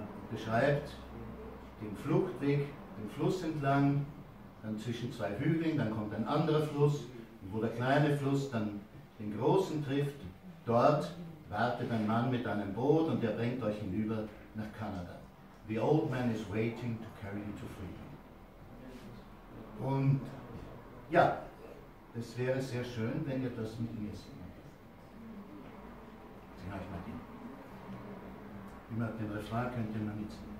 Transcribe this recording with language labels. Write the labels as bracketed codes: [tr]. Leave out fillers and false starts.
[de] Beschreibt den Fluchtweg, den Fluss entlang, dann zwischen zwei Hügeln, dann kommt ein anderer Fluss. Und wo der kleine Fluss dann den großen trifft, dort wartet ein Mann mit einem Boot und der bringt euch hinüber nach Kanada. [en] The old man is waiting to carry you to freedom. [de] Und ja, es wäre sehr schön, wenn ihr das mit mir singt. Sing euch mal den. Immer den Refrain könnt ihr mal mitsingen.